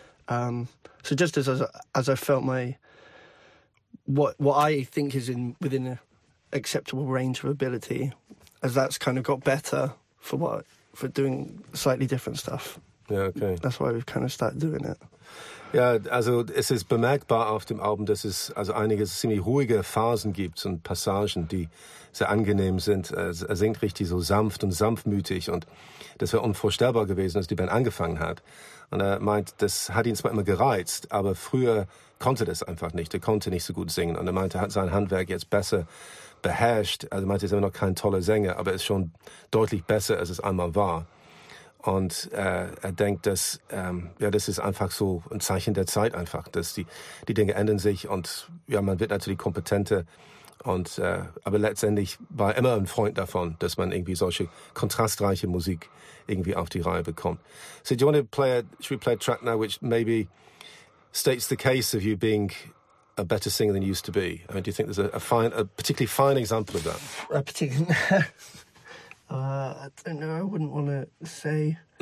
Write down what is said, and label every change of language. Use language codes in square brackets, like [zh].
[en] So just as I felt my, what I think is in within an acceptable range of ability, as that's kind of got better for what, for doing slightly different stuff. Yeah, okay. That's why we've kind of started doing it. [de] Ja, also es ist bemerkbar auf dem Album, dass es also einige ziemlich ruhige Phasen gibt und Passagen, die sehr angenehm sind. Er singt richtig so sanft und sanftmütig und das wäre unvorstellbar gewesen, als die Band angefangen hat. Und er meint, das hat ihn zwar immer gereizt, aber früher konnte das einfach nicht. Er konnte nicht so gut singen und er meinte, er hat sein Handwerk jetzt besser beherrscht. Also er meinte, er ist immer noch kein toller Sänger, aber er ist schon deutlich besser, als es einmal war. Und er denkt, dass ja, das ist einfach so ein Zeichen der Zeit einfach, dass die Dinge ändern sich und ja, man wird natürlich kompetenter. Und aber letztendlich war er immer ein Freund davon, dass man irgendwie solche kontrastreiche Musik irgendwie auf die Reihe bekommt. [en] So, do you want to play? Should we play a track now, which maybe states the case of you being a better singer than you used to be? I mean, do you think there's a particularly fine example of that? A particular. I don't know, I wouldn't want to say.